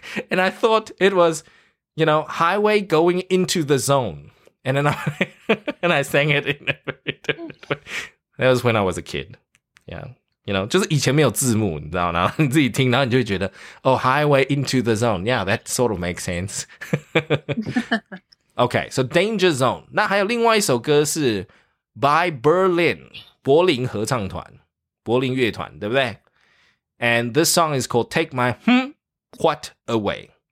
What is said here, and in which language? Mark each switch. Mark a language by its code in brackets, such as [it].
[en] And I thought it was, you know, highway going into the zone. And then I sang it in a very different way. That was when I was a kid. Yeah. [zh] You know, 就是以前没有字幕，你知道，然后你自己听，然后你就会觉得 [en] oh, highway into the zone. Yeah, that sort of makes sense. Okay, so Danger Zone. [zh] 那还有另外一首歌是 By Berlin, 柏林合唱团，柏林乐团，对不对？ [en] And this song is called Take My What Away.